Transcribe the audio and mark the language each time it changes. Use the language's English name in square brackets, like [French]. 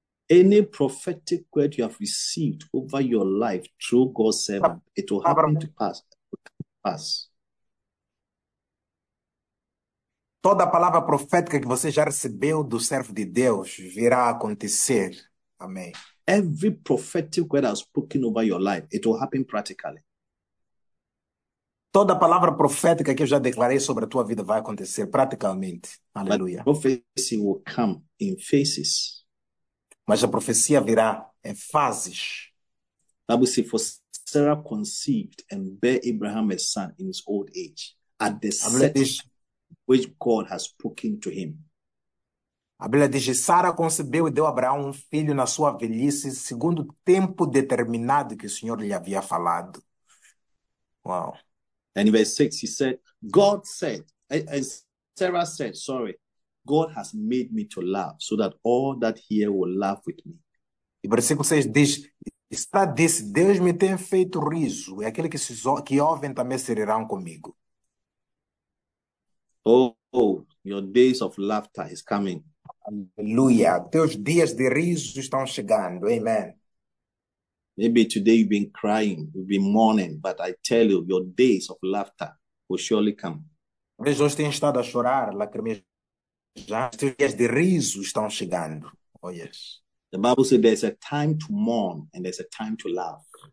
[English] Any prophetic word you have received over your life through God's servant, it will happen to pass. [Portuguese] Toda palavra profética que você já recebeu do servo de Deus virá acontecer. Amém. [English] Every prophetic word I've spoken over your life, it will happen practically. [Portuguese] Toda palavra profética que eu já declarei sobre a tua vida vai acontecer praticamente. Aleluia. [English] But prophecy will come in phases. [Portuguese] Mas a profecia virá em fases. [English] That we see, for Sarah conceived and bare Abraham a son in his old age, at the [Portuguese] A Bíblia [English] set time [Portuguese] diz. [English] which God has spoken to him. [Portuguese] A Bíblia diz que Sara concebeu e deu a Abraão um filho na sua velhice, segundo o tempo determinado que o Senhor lhe havia falado. Uau. [English] And in verse 6, he said, God said, and Sarah said, sorry, God has made me to laugh so that all that hear will laugh with me. [Portuguese] E versículo 6 diz, está disse, Deus me tem feito riso, e aquele que se que ouvem também se rirão comigo. [English] Oh, your days of laughter is coming. [Portuguese] Aleluia, teus dias de riso estão chegando. [English] Amen. Maybe today you've been crying, you've been mourning, but I tell you, your days of laughter will surely come. [Portuguese] Talvez hoje tenha estado a chorar, lacrimejar. Já, teus dias de riso estão chegando. [English] Oh, yes. The Bible says there's a time to mourn and there's a time to laugh.